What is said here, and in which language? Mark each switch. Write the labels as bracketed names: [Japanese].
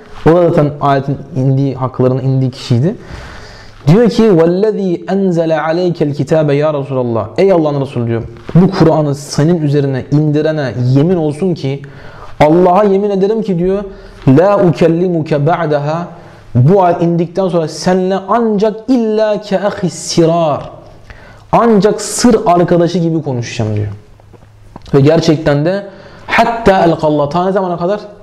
[Turkish] O da zaten ayetin indiği, haklarının indiği kişiydi. Diyor ki [Arabic] وَالَّذ۪ي أَنْزَلَ عَلَيْكَ الْكِتَابَ يَا رَسُولَ اللّٰهِ. [Turkish] Ey Allah'ın Resulü diyor, bu Kur'an'ı senin üzerine indirene yemin olsun ki, Allah'a yemin ederim ki diyor, [Arabic] لَا أُكَلِّمُكَ بَعْدَهَا. [Turkish] Bu ayet indikten sonra seninle ancak [Arabic] اِلَّا كَأَخِ السِّرَارِ. [Turkish] Ancak sır arkadaşı gibi konuşacağım diyor. Ve gerçekten de [Arabic] حَتَّى أَلْقَ اللّٰهِ. [Turkish] Ta ne zamana kadar?